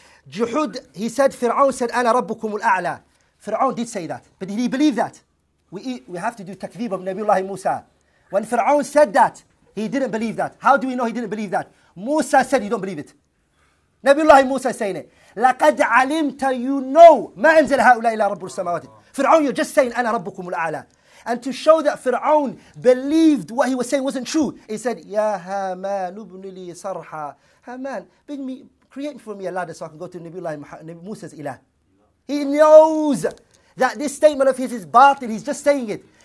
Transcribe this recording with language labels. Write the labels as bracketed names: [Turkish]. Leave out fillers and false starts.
[English] Juhud, he said, Fir'aun said, [Arabic] ana rabbukum al-a'la. [English] Fir'aun did say that. But did he believe that? We have to do takdeeb of Nabiullah Musa. When Fir'aun said that, he didn't believe that. How do we know he didn't believe that? Musa said, you don't believe it. Nabiullah Musa is saying it. [Arabic] لَقَدْ عَلِمْتَ [English] you know [Arabic] مَا أَنْزَلَ هَؤُلَاءِ إِلَّا رَبُّ السَّمَاوَاتِ Fir'aun, [English] you're just saying, [Arabic] أَنَا رَبُّكُمُ الْأَعْلَى. [English] And to show that Fir'aun believed what he was saying wasn't true, he said, [Arabic] يَا هَامَانُ ابْنِ لِي صَرْحًا. [English] Haman, create for me a ladder so I can go to Nabiullah Musa's ilah. He knows that this statement of his is batil. He's just saying it.